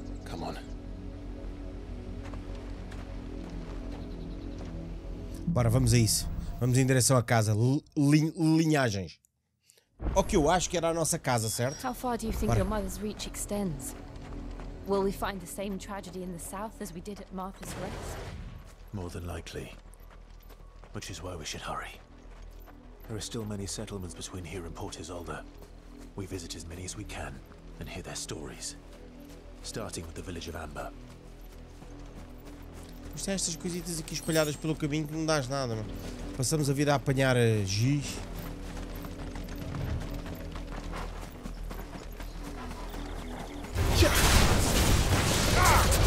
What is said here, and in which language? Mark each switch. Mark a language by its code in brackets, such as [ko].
[en] Come on. [pt] Bora, vamos a isso. Vamos em direção à casa. Linhagens. O que eu acho que era a nossa casa, certo? [en] How far do you think your mother's reach extends? Will we find the same tragedy in the south as we did at Martha's rest? More than likely. Which is why we should hurry. There are still many settlements between here and Portisalda. We visit as many as we can and hear their stories. Starting with the village of Amber. [pt] Mas tem estas coisitas aqui espalhadas pelo caminho que não dás nada, mano. Passamos a vida a apanhar giz. Ah!